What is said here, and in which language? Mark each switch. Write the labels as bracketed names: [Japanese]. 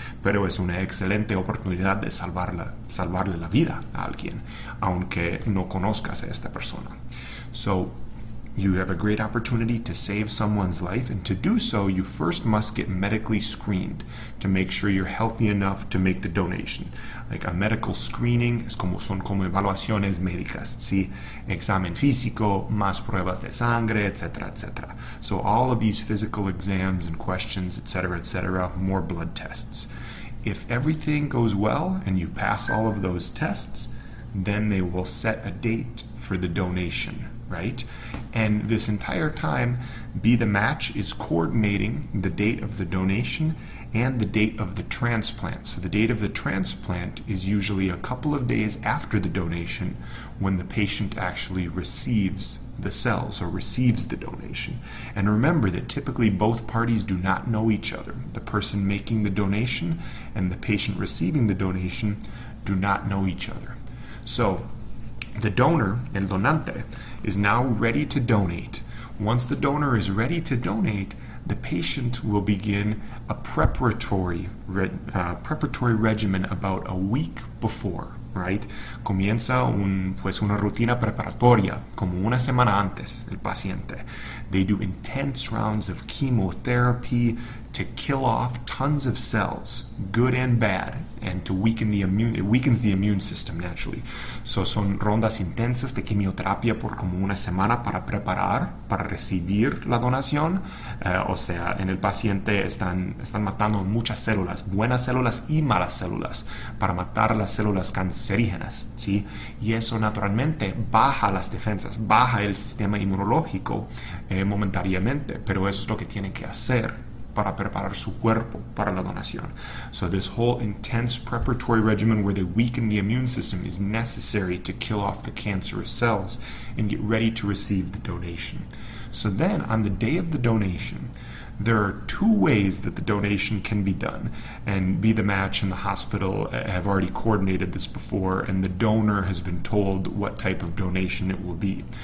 [Spanish] Pero es una excelente oportunidad de salvarle la vida a alguien, aunque no conozcas a esta persona. [English] So you have a great opportunity to save someone's life, and to do so, you first must get medically screened to make sure you're healthy enough to make the donation. Like a medical screening, [Spanish] son como evaluaciones médicas, ¿sí? Examen físico, más pruebas de sangre, etc., etc. [English] So all of these physical exams and questions, etc., etc., more blood tests. If everything goes well and you pass all of those tests, then they will set a date for the donation, right? And this entire time, Be the Match is coordinating the date of the donation and the date of the transplant. So the date of the transplant is usually a couple of days after the donation when the patient actually receives the cells or receives the donation. And remember that typically both parties do not know each other. The person making the donation and the patient receiving the donation do not know each other. So the donor, [Spanish] el donante, [English] is now ready to donate. Once the donor is ready to donate, the patient will begin a preparatory regimen about a week before, right? [Spanish] Comienza una rutina preparatoria, como una semana antes, el paciente. [English] They do intense rounds of chemotherapy to kill off tons of cells, good and bad, and to weaken it weakens the immune system naturally. So [Spanish] son rondas intensas de quimioterapia por como una semana para preparar, para recibir la donación. O sea, en el paciente están matando muchas células, buenas células y malas células, para matar las células cancerígenas, ¿sí? Y eso naturalmente baja las defensas, baja el sistema inmunológico momentáneamente, pero eso es lo que tienen que hacer para preparar su cuerpo para la donación. [English] So this whole intense preparatory regimen where they weaken the immune system is necessary to kill off the cancerous cells and get ready to receive the donation. So then on the day of the donation, there are two ways that the donation can be done, and Be the Match and the hospital have already coordinated this before, and the donor has been told what type of donation it will be.